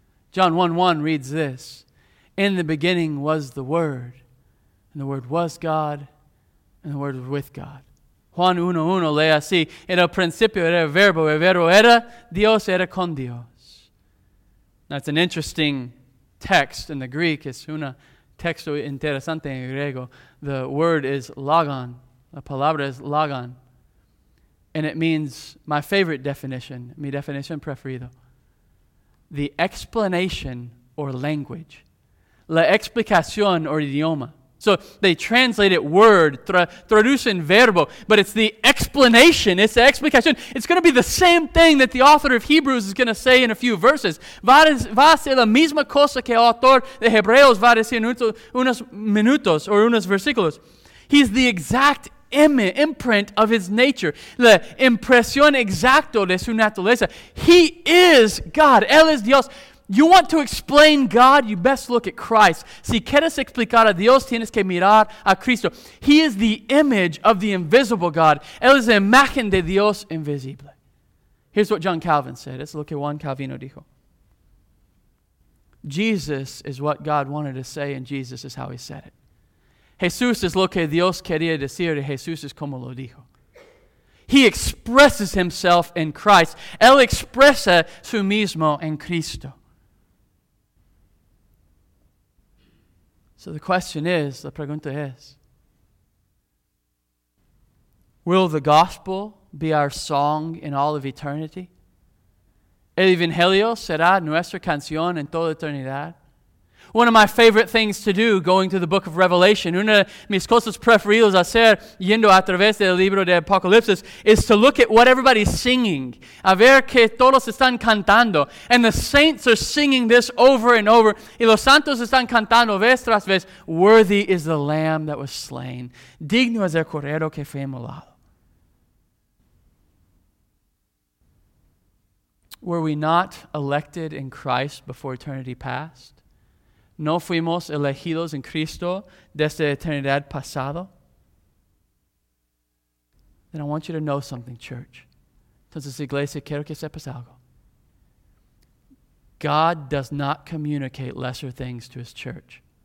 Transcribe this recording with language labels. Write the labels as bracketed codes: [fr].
[en] John 1:1 reads this, in the beginning was the Word, and the Word was God, and the Word was with God. [es] Juan 1:1 lee así, en el principio era verbo, el verbo era Dios, era con Dios. [en] That's an interesting text in the Greek, [es] es una texto interesante en griego. [en] The word is logon. [es] La palabra es logon. [en] And it means my favorite definition, [es] mi definición preferido. [en] The explanation or language. [es] La explicación or idioma. [en] So they translate it word, [es] traducen verbo, [en] but it's the explanation, it's the explicación. It's going to be the same thing that the author of Hebrews is going to say in a few verses. [es] Va a ser la misma cosa que el autor de Hebreos va a decir en unos minutos o unos versículos. [en] He's the exact imprint of his nature, [es] la impresión exacto de su naturaleza. [en] He is God, [es] él es Dios. [en] You want to explain God, you best look at Christ. [es] Si quieres explicar a Dios, tienes que mirar a Cristo. [en] He is the image of the invisible God. [es] Él es la imagen de Dios invisible. [en] Here's what John Calvin said. [es] Es lo que Juan Calvino dijo. [en] Jesus is what God wanted to say, and Jesus is how he said it. [es] Jesús es lo que Dios quería decir, y Jesús es como lo dijo. [en] He expresses himself in Christ. [es] Él expresa su mismo en Cristo. [en] So the question is, [es] la pregunta es, [en] will the gospel be our song in all of eternity? [es] El evangelio será nuestra canción en toda eternidad. [en] One of my favorite things to do, going to the book of Revelation, [es] una de mis cosas preferidas hacer yendo a través del libro de Apocalipsis, [en] is to look at what everybody's singing, [es] a ver que todos están cantando. [en] And the saints are singing this over and over, [es] y los santos están cantando vez tras vez, [en] worthy is the lamb that was slain, [es] digno es el cordero que fue inmolado. [en] Were we not elected in Christ before eternity past? [es] ¿No fuimos elegidos en Cristo desde eternidad pasado? [en] Then I want you to know something, church. [es] Entonces, iglesia, quiero que sepas algo. [en] God does not communicate lesser things to his church.